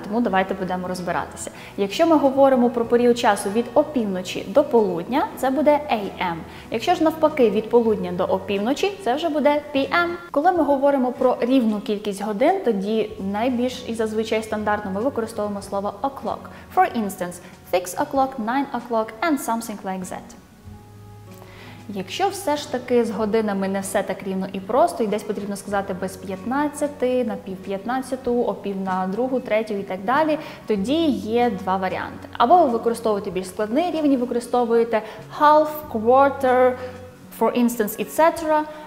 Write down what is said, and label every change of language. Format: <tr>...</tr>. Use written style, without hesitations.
<uk>Тому давайте будемо розбиратися. Якщо ми говоримо про період часу від опівночі до полудня, це буде AM. Якщо ж навпаки, від полудня до опівночі, це вже буде PM. Коли ми говоримо про рівну кількість годин, тоді найбільш і зазвичай стандартно ми використовуємо слово o'clock.</uk> <en>For instance, 6 o'clock, 9 o'clock and something like that.</en> <uk>Якщо все ж таки з годинами не все так рівно і просто, і десь потрібно сказати без 15, на пів 15, о пів на другу, третю і так далі, тоді є два варіанти. Або ви використовуєте більш складний рівень, використовуєте</uk> <en>half, quarter, for instance, etc.</en>